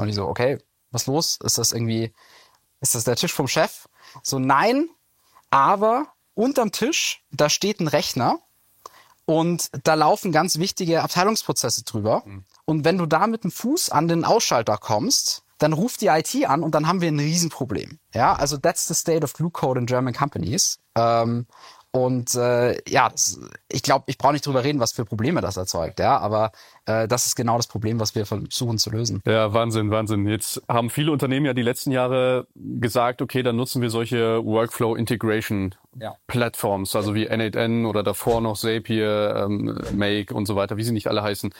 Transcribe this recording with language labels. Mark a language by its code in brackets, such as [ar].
[de] Und ich so, okay, was ist los? Ist das irgendwie, ist das der Tisch vom Chef? So, nein, aber unterm Tisch, da steht ein Rechner. Und da laufen ganz wichtige Abteilungsprozesse drüber. Und wenn du da mit dem Fuß an den Ausschalter kommst, dann ruft die IT an und dann haben wir ein Riesenproblem. [en] Ja, also that's the state of Glue Code in German companies. [de] Und ja, das, ich glaube, ich brauche nicht drüber reden, was für Probleme das erzeugt, ja, aber das ist genau das Problem, was wir versuchen zu lösen. Ja, Wahnsinn, Wahnsinn. Jetzt haben viele Unternehmen ja die letzten Jahre gesagt, okay, dann nutzen wir solche Workflow-Integration-Plattforms, ja. Also wie N8N oder davor noch Zapier, Make und so weiter, wie sie nicht alle heißen.